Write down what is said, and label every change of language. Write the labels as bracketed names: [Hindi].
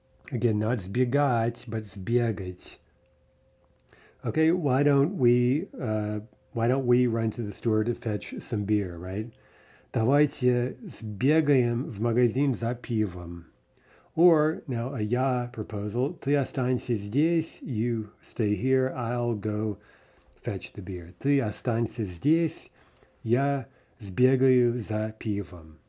[English] Again, not zbiegać, but zbiegać. Okay, why don't we run to the store to fetch some beer, right? [Russian] Давайте сбегаем в магазин за пивом. [English] Or, now, a ya proposal, [Russian] ты останься здесь, [English] you stay here, I'll go fetch the beer. [Russian] Ты останься здесь, я сбегаю за пивом.